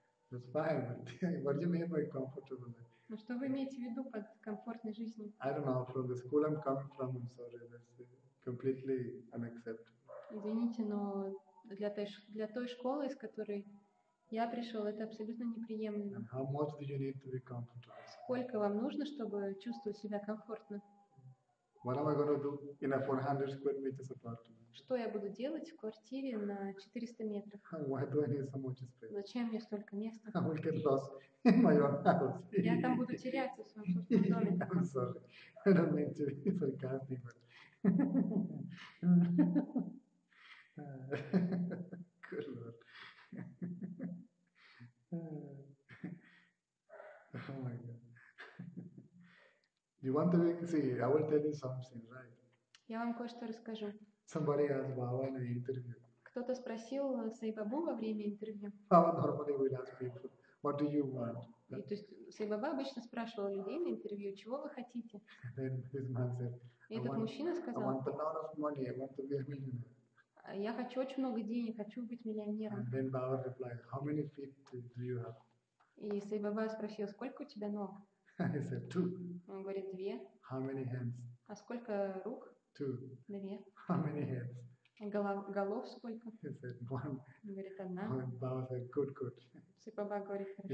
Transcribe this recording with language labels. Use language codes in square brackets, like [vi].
[en] That's fine, but what do you mean by comfortable life? [ru] Ну что вы имеете в виду под комфортной жизнью? [en] I don't know, from the school I'm coming from, I'm sorry, that's completely unacceptable. [ru] Извините, но для той школы, из которой я пришел, это абсолютно неприемлемо. [en] And how much do you need to be comfortable? [ru] Сколько вам нужно, чтобы чувствовать себя комфортно? [en] What am I going to do in a 400 square meters apartment? [ru] Что я буду делать в квартире на 400 метров? [en] Why do I need so much space? [ru] Зачем мне столько места? [en] I will get lost in my own house. [ru] Я там буду теряться в своем собственном доме. [en] I'm sorry. I don't mean to be sarcastic, but... Good Lord. Oh my God. You want to see? I will tell you something, right? [ru] Я вам кое-что расскажу. [en] Somebody asked Baba in an interview. [ru] Кто-то спросил Саи Бабу во время интервью. [en] How normally we ask people, what do you want? [ru] И, то есть Саи Баба обычно спрашивал людей на интервью, чего вы хотите? [en] And then this man said, [ru] и этот мужчина сказал, [en] I want a lot of money, I want to be a millionaire. [ru] Я хочу очень много денег, хочу быть миллионером. [en] And then Baba replied, how many feet do you have? [ru] И Саи Баба спросил, сколько у тебя ног? [en] He said, two. [ru] Он говорит, две. [en] How many hands? [ru] А сколько рук? [en] Two. [ru] Две. [en] How many heads? [ru] Голов сколько? [en] He said, one. [ru] Он говорит, одна. [en] And Baba said, good, good. [ru] Саи Баба говорит, хорошо,